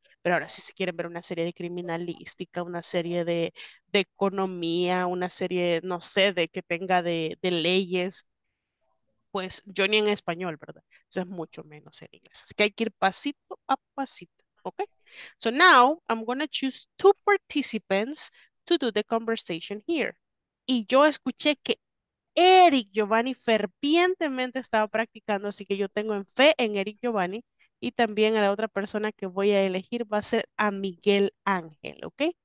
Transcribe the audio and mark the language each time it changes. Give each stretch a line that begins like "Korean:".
Spanish: Pero ahora, si se quieren ver una serie de criminalística, una serie de economía, una serie, no sé, de que tenga de leyes, pues yo ni en español, ¿verdad? O sea, mucho menos en inglés. Así que hay que ir pasito a pasito, ¿ok?
English: So now, I'm going to choose 2 participants to do the conversation here.
Spanish: Y yo escuché que Eric Giovanni fervientemente estaba practicando, así que yo tengo fe en Eric Giovanni Y también a la otra persona que voy a elegir va a ser a Miguel Ángel, ¿ok?